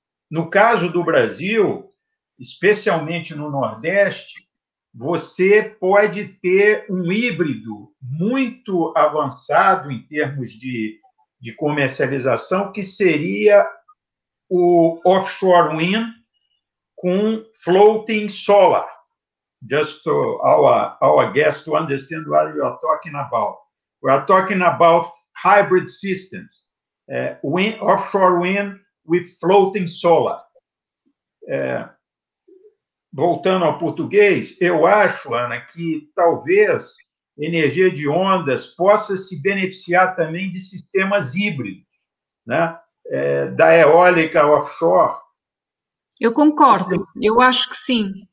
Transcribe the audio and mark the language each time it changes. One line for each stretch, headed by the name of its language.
Portuguese: No caso do Brasil, especialmente no Nordeste, você pode ter um híbrido muito avançado em termos de comercialização, que seria o offshore wind com floating solar.
English: Just to our guest to understand what you are talking about. We are talking about hybrid systems, wind, offshore wind with floating solar.
Portuguese: Voltando ao português, eu acho, Ana, que talvez energia de ondas possa se beneficiar também de sistemas híbridos, né? Da eólica offshore. Eu concordo, eu acho que sim.